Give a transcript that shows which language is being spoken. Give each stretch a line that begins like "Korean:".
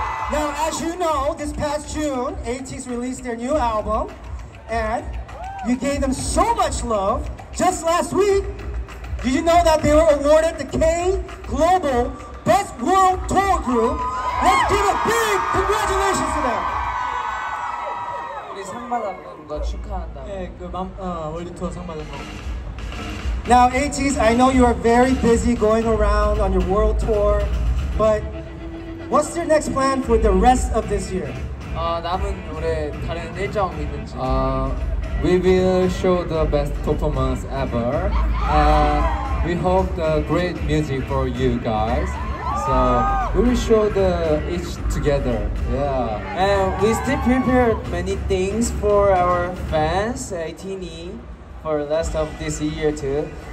English: Now, as you know, this past June, Ateez released their new album, and you gave them so much love. Just last week, did you know that they were awarded the K Global Best World Tour Group? Let's give a big congratulations to them.
Korean: 우리 상 받았는 거 축하한다. 예, 그 맘, 월드 투어 상 받은 거.
English: Now, Ateez, I know you are very busy going around on your world tour, but what's your next plan for the rest of this year?
Korean: 남은 올해 다른 일정이 있는지.
English: We will show the best performance ever, and we hope the great music for you guys. So we will show the each together. Yeah. And we still prepared many things for our fans, ATNE, for the rest of this year too.